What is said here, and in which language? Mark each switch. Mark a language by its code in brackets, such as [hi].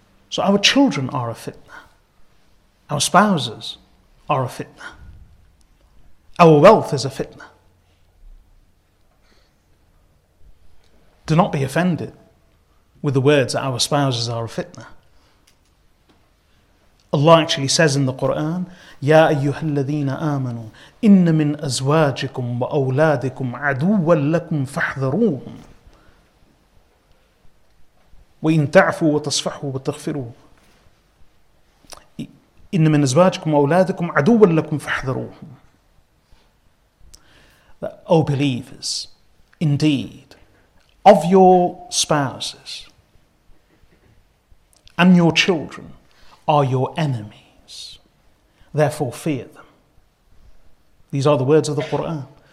[en] So our children are a fitna. Our spouses are a fitna. Our wealth is a fitna. Do not be offended with the words that our spouses are a fitna. Allah actually says in the Quran, [ar] يَا أَيُّهَا الَّذِينَ آمَنُوا إِنَّ مِنْ أَزْوَاجِكُمْ وَأَوْلَادِكُمْ عَدُوًّا لَكُمْ فَاحْذَرُوهُمْ وَإِنْ تَعْفُوا وَتَصْفَحُوا وَتَغْفِرُوا إِنَّ مِنْ أَزْوَاجِكُمْ وَأَوْلَادِكُمْ عَدُوًّا لَكُمْ فَاحْذَرُوهُمْ. [en] O believers, indeed, of your spouses and your children are your enemies. Therefore, fear them. These are the words of the Quran.